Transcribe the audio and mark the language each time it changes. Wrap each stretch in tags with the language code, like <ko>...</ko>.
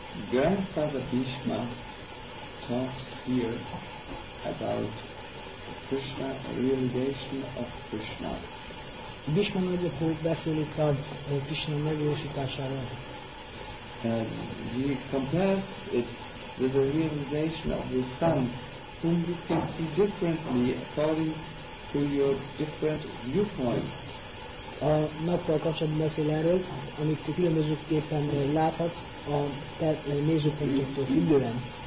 <en>Grandfather Bhishma talks here about Krishna, the realization of Krishna.</en> <hu>Bhishma nagy apu beszél itt a Krishna megvalósításáról.</hu> <en>And he compares it with the realization of the sun, whom you can see differently according to your different viewpoints.</en> <hu>A nappal kapcsolatban beszél erről, amit különbözőképpen láthatsz a te nézőpontoktól függően.</hu>